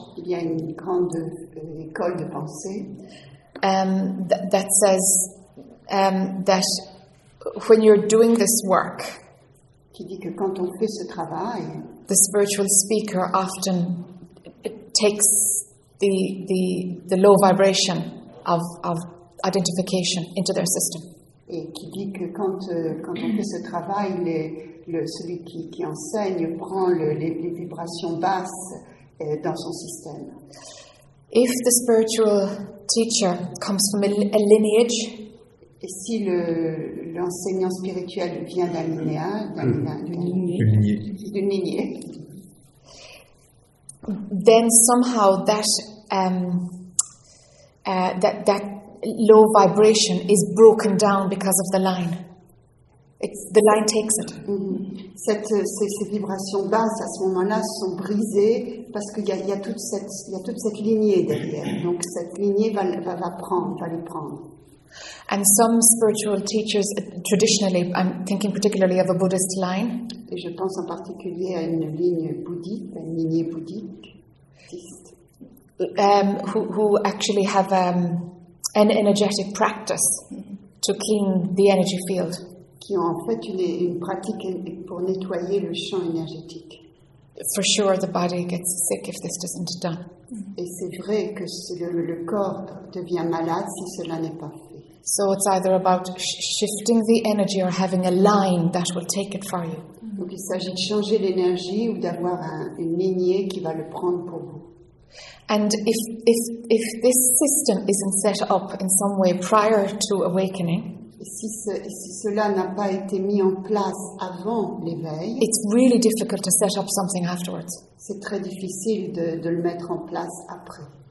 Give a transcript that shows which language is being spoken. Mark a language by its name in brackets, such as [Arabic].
[French] Il y a une grande école de pensée. [English] That says. That when you're doing this work, [French] qui dit que quand on fait ce travail, [English] the spiritual speaker often takes the low vibration of identification into their system. [French] Et qui dit que quand on fait ce travail, celui qui enseigne prend les vibrations basses dans son système. [English] If the spiritual teacher comes from a lineage. [French] Et si l'enseignant spirituel vient d'un lignée, [English] then somehow that low vibration is broken down because of the line. The line takes it. Mm-hmm. [French] Ces vibrations basses à ce moment-là sont brisées parce qu'il y a toute cette lignée derrière. Donc cette lignée va les prendre. [English] And some spiritual teachers, traditionally, I'm thinking particularly of a Buddhist line. [French] Et je pense en particulier à une ligne bouddhique, une lignée bouddhique. [English] Who actually have an energetic practice to clean the energy field. [French] Qui ont en fait une pratique pour nettoyer le champ énergétique. [English] For sure, the body gets sick if this isn't done. [French] Et c'est vrai que le corps devient malade si cela n'est pas fait. [English] So it's either about shifting the energy or having a line that will take it for you. [French] Donc il s'agit de changer l'énergie ou d'avoir une lignée qui va le prendre pour vous. [English] And if this system isn't set up in some way prior to awakening, [French] si cela n'a pas été mis en place avant l'éveil, [English] it's really difficult to set up something afterwards. [French] C'est très difficile de le mettre en place après.